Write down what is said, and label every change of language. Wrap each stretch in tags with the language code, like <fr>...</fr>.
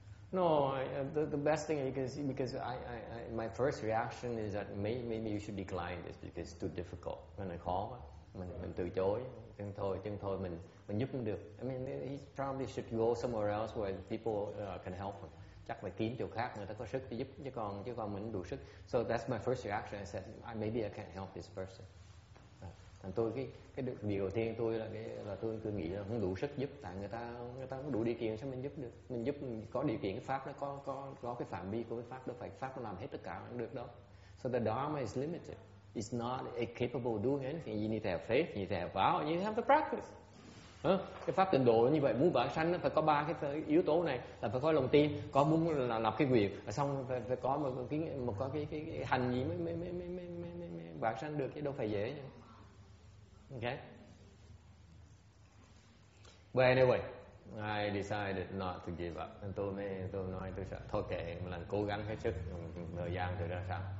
<en>No, the best thing you can see, because I my first reaction is that maybe you should decline this because it's too difficult. When I call,</en> <vi>mình từ chối, chân thôi mình giúp không được.</vi> <en>I mean, he probably should go somewhere else where people can help him.</en> <vi>Chắc phải kiếm chỗ khác người ta có sức để giúp, chứ còn mình đủ sức. So that's my first reaction. I said, maybe I can't help this person. Thành tôi cái điều đầu tiên tôi là tôi nghĩ là không đủ sức giúp, tại người ta không đủ điều kiện sao mình giúp được. Mình giúp có điều kiện, cái pháp nó có cái phạm vi của cái pháp đó, phải pháp nó làm hết tất cả cũng được đó.</vi> <en>So the dharma is limited, it's not capable of doing anything. You need to have faith, you need to have vow, you need to have the practice.</en> <vi>Cái pháp tịnh độ như vậy, muốn vãng sanh phải có ba cái yếu tố này, là phải có lòng tin, có muốn là lập cái nguyện, xong phải có một cái hành gì mới vãng sanh được, chứ đâu phải dễ nhỉ.</vi> <en>Okay. But anyway, I decided not to give up.</en> <vi>And tôi nói tôi sẽ thôi kệ, một lần cố gắng hết sức, thời gian rồi ra sao.</vi>